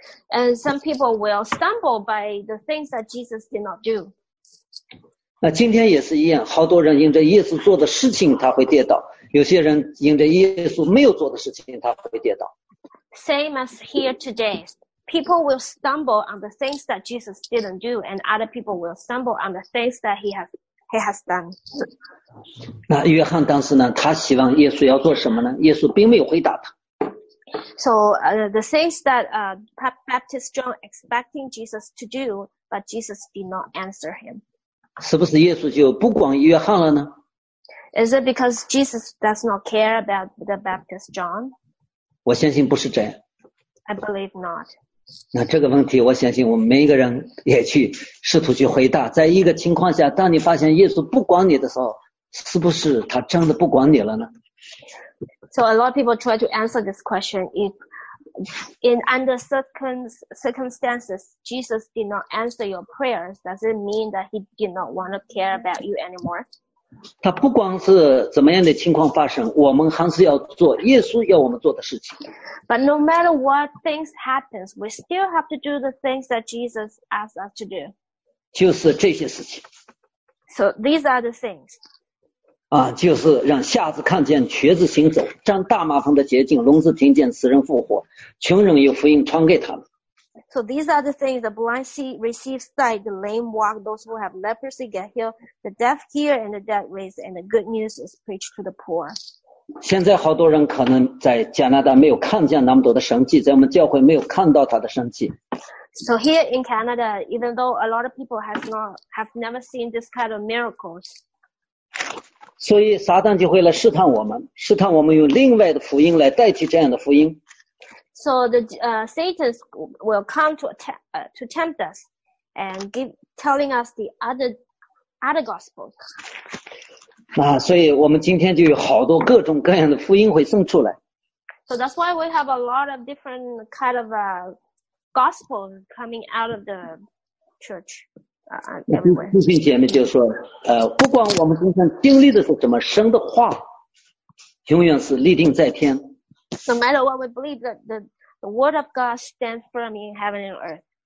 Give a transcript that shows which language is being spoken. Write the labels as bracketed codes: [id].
[en] And some people will stumble by the things that Jesus did not do. [zh] 那今天也是一样，好多人因着耶稣做的事情他会跌倒。有些人因着耶稣没有做的事情他会跌倒。 [en] Same as here today. People will stumble on the things that Jesus didn't do, and other people will stumble on the things that he has done. [zh] 那约翰当时呢，他希望耶稣要做什么呢？耶稣并没有回答他。 [en] So the things that Baptist John expecting Jesus to do, but Jesus did not answer him. [zh] 是不是耶稣就不管约翰了呢? [en] Is it because Jesus does not care about the Baptist John? [zh] 我相信不是这样。 [en] I believe not. [zh] 那这个问题我相信我们每一个人也去试图去回答。在一个情况下当你发现耶稣不管你的时候是不是他真的不管你了呢? [en] So a lot of people try to answer this question. If in under certain circumstances, Jesus did not answer your prayers, does it mean that he did not want to care about you anymore? [zh] 他不管是怎么样的情况发生，我们还是要做耶稣要我们做的事情。 [en] But no matter what things happens, we still have to do the things that Jesus asked us to do. [zh] 就是这些事情。 [en] So these are the things. [zh] 啊，就是让瞎子看见，瘸子行走，沾大麻风的洁净，聋子听见，死人复活，穷人有福音传给他们。 [en] So these are the things, the blind see, receive sight, the lame walk, those who have leprosy get healed, the deaf hear and the dead raised, and the good news is preached to the poor. [zh] 现在好多人可能在加拿大没有看见那么多的神迹，在我们教会没有看到他的神迹。 [en] So here in Canada, even though a lot of people have never seen this kind of miracles. [zh] 所以撒旦就会来试探我们，试探我们用另外的福音来代替这样的福音。 [en] So the Satan will come to tempt us and telling us the other gospel. [zh] 那所以我们今天就有好多各种各样的福音会生出来。 [en] So that's why we have a lot of different kind of gospel coming out of the church. [zh] 弟兄姐妹就说，不管我们今天经历的是什么，神的话永远是立定在天。 [en] No matter what we believe, that the word of God stands firm in heaven and earth.